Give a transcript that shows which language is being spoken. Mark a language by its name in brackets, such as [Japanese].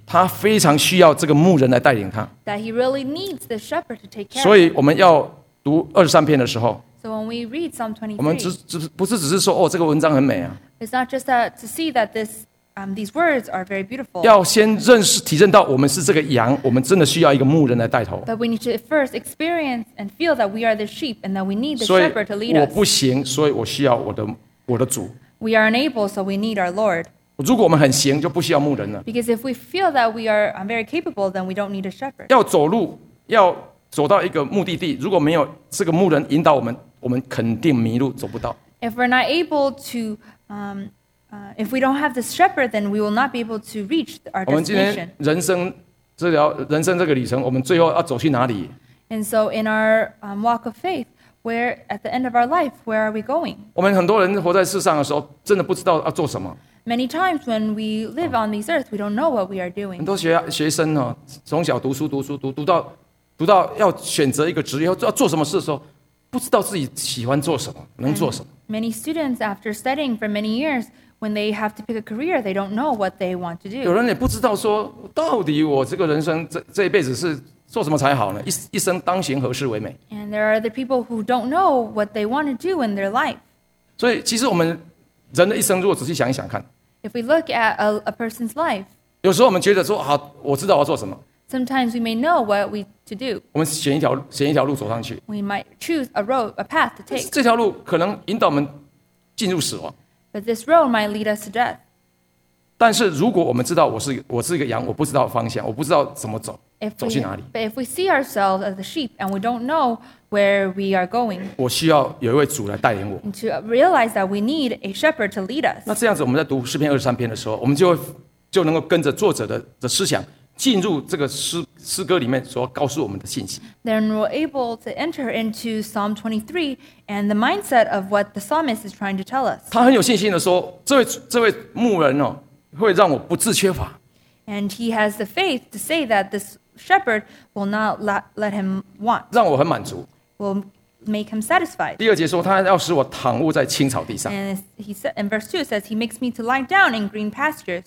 [Chinese] 他非常需要这个牧人来带领他。 [English] That he really needs the shepherd to take care. [Chinese] 所以我们要读二十三篇的时候。 [English] So when we read Psalm 23, [Chinese] 我们不是只是说哦，这个文章很美啊。 [English] It's not just that to see that this, these words are very beautiful. [Chinese] 要先体认到我们是这个羊，我们真的需要一个牧人来带头。 [English] But we need to first experience and feel that we are the sheep and that we need the shepherd to lead us. [Chinese] 我不行，所以我需要我的主。 [English] We are unable, so we need our Lord. [Chinese] 如果我们很行，就不需要牧人了。 [English] Because if we feel that we are very capable, then we don't need a shepherd. [Chinese] 要走路，要走到一个目的地，如果没有这个牧人引导我们。我们肯定迷路走不到。 [English] If we're not able to, if we don't have the shepherd, then we will not be able to reach our destination. [Chinese] 我们今天人生这个旅程，我们最后要走去哪里 [English] ？And so in our walk of faith, where at the end of our life, where are we going? [Chinese] 我们很多人活在世上的时候，真的不知道要做什么。 [English] Many times when we live on this earth, we don't know what we are doing. [Chinese] 很多学生哦，从小读书读到要选择一个职业，要做什么事的时候。不知道自己喜欢做什么，能做什么。 [English] Many students after studying for many years, when they have to pick a career, they don't know what they want to do. [Chinese] 有人也不知道说，到底我这个人生这一辈子是做什么才好呢？一生当行何事为美 [English] ？And there are other people who don't know what they want to do in their life. [Chinese] 所以，其实我们人的一生，如果仔细想一想看 [English] ，If we look at a person's life, [Chinese] 有时候我们觉得说，好，我知道我要做什么。 [English] Sometimes we may know what we to do. [Chinese] 我们选一条路走上去。 [English] We might choose a road, a path to take. [Chinese] 这条路可能引导我们进入死亡。 [English] But this road might lead us to death. [Chinese] 但是如果我们知道我是一个羊，我不知道方向，我不知道怎么走，走去哪里。 [English] But if we see ourselves as a sheep and we don't know where we are going, [Chinese] 我需要有一位主来带领我。 [English] To realize that we need a shepherd to lead us. [Chinese] 那这样子，我们在读诗篇二十三篇的时候，我们就能够跟着作者的思想。进入这个诗歌里面所告诉我们的信息。 [English] Then we're able to enter into Psalm 23 and the mindset of what the psalmist is trying to tell us. [Chinese] 他很有信心的说，这位牧人哦，会让我不致缺乏。 [English] And he has the faith to say that this shepherd will not let him want. [Chinese] 让我很满足。 [English] Will make him satisfied. [Chinese] 第二节说，他要使我躺卧在青草地上。 [English] And he said, in verse 2 says, he makes me to lie down in green pastures.